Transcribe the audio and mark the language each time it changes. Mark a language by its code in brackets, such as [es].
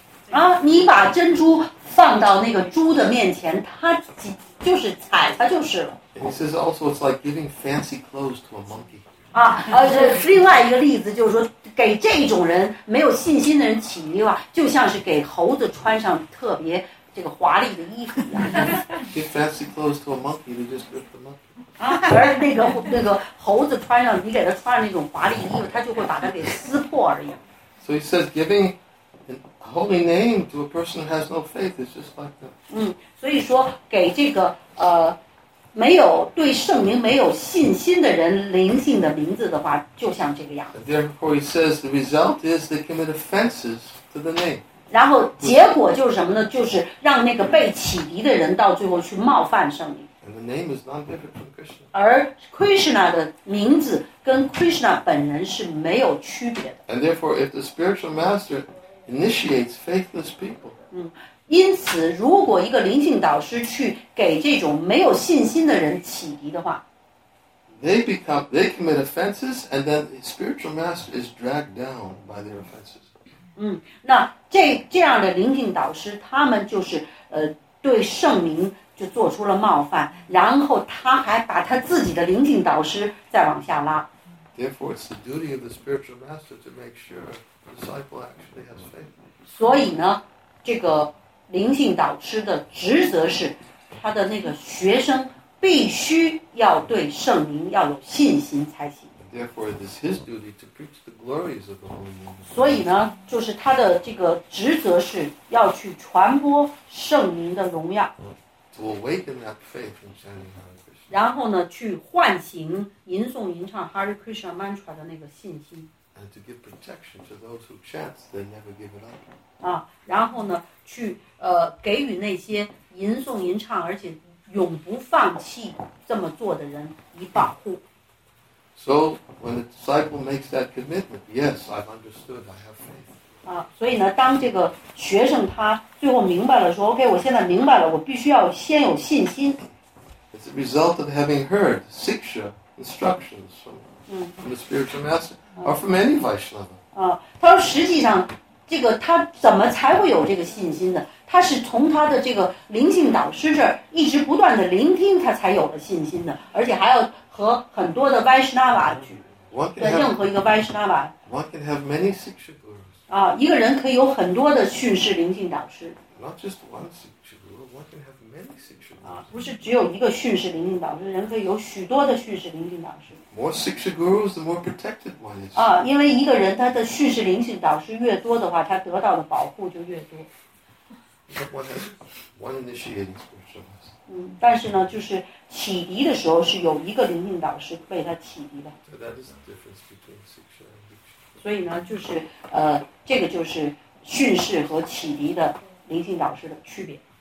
[zh] 啊，你把珍珠放到那个猪的面前，他就是踩它就是了。 [en] He says also it's like giving fancy clothes to a monkey. [zh] 啊，另外一个例子就是说。给这种人没有信心的人起迪话，就像是给猴子穿上特别这个华丽的衣服一样。 [en] Give fancy clothes to a monkey, they just rip the monkey. [zh] 啊，而那个猴子穿上，你给他穿上那种华丽衣服，他就会把它给撕破而已。 [en] So he says, giving a holy name to a person who has no faith is just like that. [zh] 嗯，所以说给这个没有对圣灵没有信心的人灵性的名字的话，就像这个样子。 [en] Therefore, he says the result is they commit offenses to the name. [zh] 然后结果就是什么呢？就是让那个被启迪的人到最后去冒犯圣灵。 [en] And the name is not different from Krishna. [zh] 而 Krishna 的名字跟 Krishna 本人是没有区别的。 [en] And therefore, if the spiritual master initiates faithless people. [zh] 因此，如果一个灵性导师去给这种没有信心的人启迪的话 [en] they commit offenses, and then the spiritual master is dragged down by their offenses. [zh] 那这样的灵性导师，他们就是对圣灵就做出了冒犯，然后他还把他自己的灵性导师再往下拉。 [en] Therefore, it's the duty of the spiritual master to make sure the disciple actually has faith. [zh] 所以呢，这个灵性导师的职责是他的那个学生必须要对圣灵要有信心才行。 [en] Therefore, it is his duty to preach the glories of the Holy Name. [zh] 所以呢，就是他的这个职责是要去传播圣灵的荣耀。 [en] To awaken that faith in chanting Hare Krishna. [zh] 然后呢，去唤醒吟诵吟唱 Hare Krishna mantra 的那个信心。 [en] And to give protection to those who chant, they never give it up. [zh] 啊，然后呢，去给予那些吟诵吟唱而且永不放弃这么做的人以保护。 [en] So when the disciple makes that commitment, yes, I've understood, I have faith. [zh] 啊，所以呢，当这个学生他最后明白了，说 OK, 我现在明白了，我必须要先有信心。 [en] It's a result of having heard siksha instructions from the spiritual master. Or from any Vaishnava. [zh] 他说实际上这个他怎么才会有这个信心呢？他是从他的这个灵性导师这儿一直不断的聆听，他才有了信心的，而且还要和很多的 Vaishnava 去任何一个 Vaishnava. [en] One can have many siksha gurus. [zh] 一个人可以有很多的训示灵性导师。 [en] Not just one siksha guru, one can have many siksha gurus. [zh] 不是只有一个训示灵性导师，人可以有许多的训示灵性导师。 [en] More siksha gurus, the more protected one is. [zh] 因为一个人他的训示灵性导师越多的话，他得到的保护就越多。 [en] One has one initiating spiritual master. [zh] 但是呢，就是启迪的时候是有一个灵性导师被他启迪的。 [en] So that is the difference between Shiksha and Diksha. [zh] 所以呢，就是这个就是训示和启迪的灵性导师的区别。